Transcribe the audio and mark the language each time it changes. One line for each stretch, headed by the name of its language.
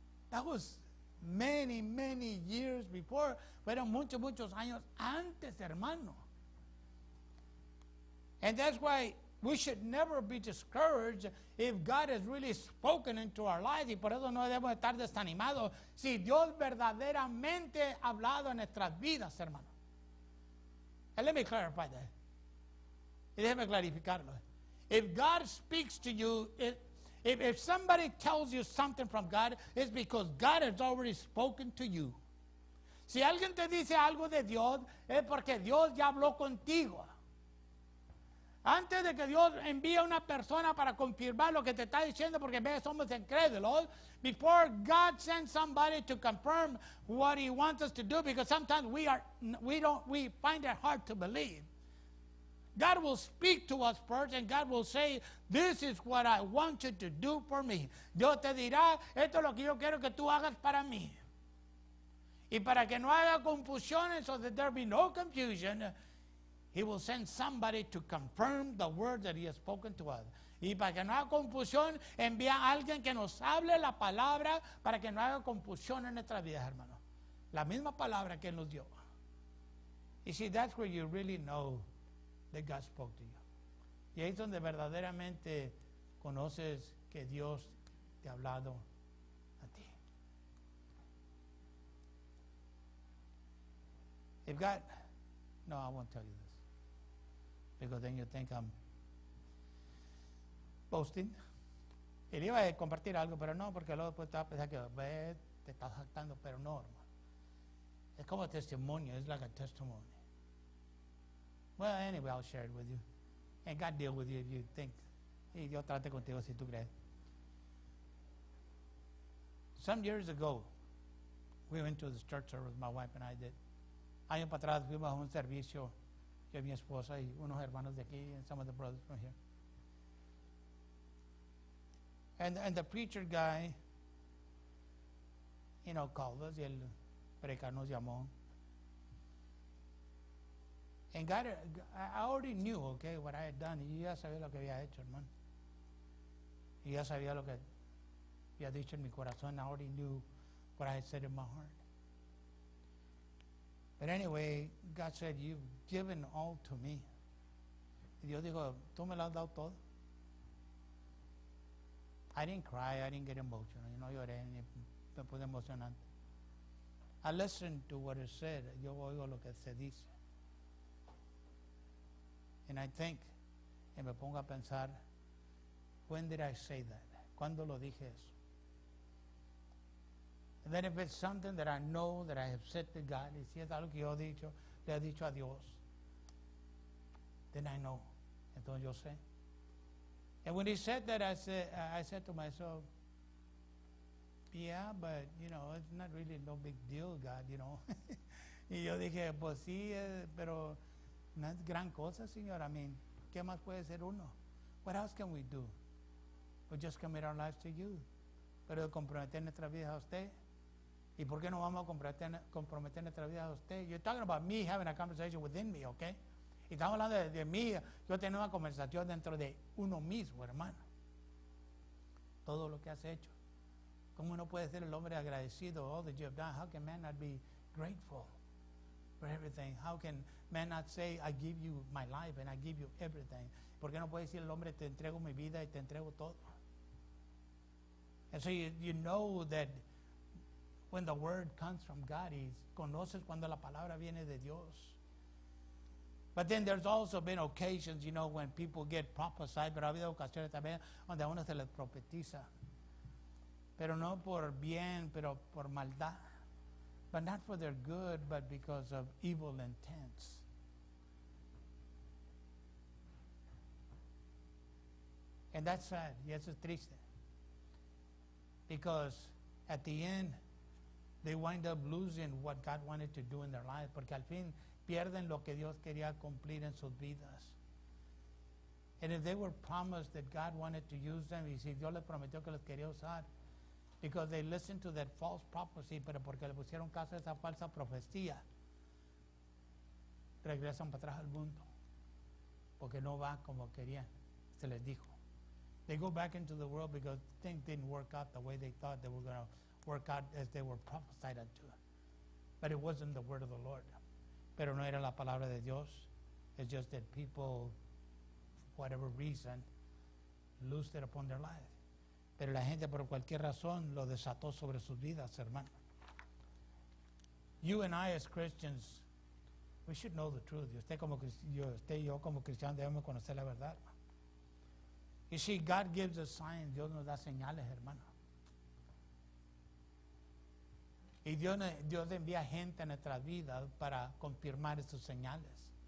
English: That was many, many years before.
Spanish: Fueron muchos, muchos años antes, hermano.
English: And that's why we should never be discouraged if God has really spoken into our lives.
Spanish: Y por eso no debemos estar desanimados si Dios verdaderamente ha hablado en nuestras vidas, hermano.
English: And let me clarify that.
Spanish: Y déjeme clarificarlo.
English: If God speaks to you, if somebody tells you something from God, it's because God has already spoken to you.
Spanish: Si alguien te dice algo de Dios, es porque Dios ya habló contigo. Antes de que Dios envíe a una persona para confirmar lo que te está diciendo, porque ve, somos incrédulos,
English: before God sends somebody to confirm what he wants us to do, because sometimes we find it hard to believe. God will speak to us first, and God will say, this is what I want you to do for me.
Spanish: Dios te dirá, esto es lo que yo quiero que tú hagas para mí. Y para que no haya confusión,
English: so that there be no confusion, He will send somebody to confirm the word that he has spoken to us.
Spanish: Y para que no haya confusión, envía a alguien que nos hable la palabra para que no haya confusión en nuestras vidas, hermano. La misma palabra que nos dio.
English: You see, that's where you really know that God spoke to you.
Spanish: Y ahí es donde verdaderamente conoces que Dios te ha hablado a ti.
English: If God, no, I won't tell you this. Because then you think I'm boasting.
Spanish: Y le iba a compartir algo, pero no, porque luego después te va a pensar que ve, te estás jactando, pero no, hermano. Es como testimonio, es
English: like a testimony. Well, anyway, I'll share it with you. And God deal with you if you think.
Spanish: Y Dios trate contigo si tú crees.
English: Some years ago, we went to this church service, my wife and I did.
Spanish: Años para atrás fuimos a un servicio que mi esposa y unos hermanos de aquí
English: and some of the brothers from here. And the preacher guy, you know, called us.
Spanish: Y el predicador nos llamó.
English: And God, I already knew, okay, what I had done.
Spanish: Yo ya sabía lo que había hecho, hermano. Yo ya sabía lo que había dicho en mi corazón.
English: I already knew what I had said in my heart. But anyway, God said, you've given all to me.
Spanish: Y Dios dijo, tú me lo has dado todo.
English: I didn't cry. I didn't get emotional.
Spanish: Yo no lloré ni me pude emocionar.
English: I listened to what it said.
Spanish: Yo oigo lo que se dice.
English: And I think,
Spanish: y me pongo a pensar,
English: when did I say that?
Spanish: ¿Cuándo lo dije eso?
English: And then if it's something that I know that I have said to God,
Spanish: y si es algo que yo he dicho, le he dicho a Dios,
English: then I know.
Spanish: Entonces yo sé.
English: And when he said that, I said to myself, yeah, but, you know, it's not really no big deal, God, you know.
Spanish: Y yo dije, pues sí, pero no es gran cosa, Señor.
English: I mean,
Spanish: ¿qué más puede ser uno?
English: What else can we do? We just commit our lives to you.
Spanish: Pero comprometer nuestra vida a usted. ¿Y por qué no vamos a comprometer nuestra vida a usted?
English: You're talking about me having a conversation within me, okay?
Spanish: Y estamos hablando de mí. Yo tengo una conversación dentro de uno mismo, hermano. Todo lo que has hecho. ¿Cómo uno puede ser el hombre agradecido?
English: All that you have done. How can man not be grateful for everything? How can man not say, I give you my life and I give you everything?
Spanish: ¿Por qué no puede decir el hombre, te entrego mi vida y te entrego todo?
English: And so you know that when the word comes from God,
Spanish: conoces cuando la palabra viene de Dios.
English: But then there's also been occasions, you know, when people get prophesied,
Spanish: pero ha habido ocasiones también donde a uno se les profetiza. Pero no por bien, pero por maldad.
English: But not for their good, but because of evil intents. And that's sad.
Spanish: Y eso es triste.
English: Because at the end, they wind up losing what God wanted to do in their life.
Spanish: Porque al fin pierden lo que Dios quería cumplir en sus vidas.
English: And if they were promised that God wanted to use them,
Spanish: y si Dios les prometió que los quería usar,
English: because they listened to that false prophecy,
Spanish: pero porque le pusieron caso a esa falsa profecía, regresan para atrás al mundo, porque no va como querían, se les dijo.
English: They go back into the world because things didn't work out the way they thought they were going to work out as they were prophesied unto. But it wasn't the word of the Lord.
Spanish: Pero no era la palabra de Dios.
English: It's just that people, for whatever reason, lost it upon their life.
Spanish: Pero la gente por cualquier razón lo desató sobre sus vidas, hermano.
English: You and I as Christians, we should know the truth.
Spanish: Usted y yo como cristianos debemos conocer la verdad.
English: You see, God gives us signs.
Spanish: Dios nos da señales, hermano. Y Dios envía gente a nuestras vidas para confirmar esas señales.